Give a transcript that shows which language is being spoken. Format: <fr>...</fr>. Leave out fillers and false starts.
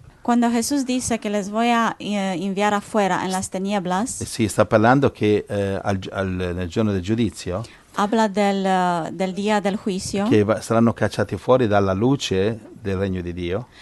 <es>Cuando Jesús dice que les voy a enviar afuera en las tinieblas,</es> <it>si sta parlando che nel giorno del giudizio,</it> <es>habla del día del juicio,</es> <it>che saranno cacciati fuori dalla luce del regno di Dio</it>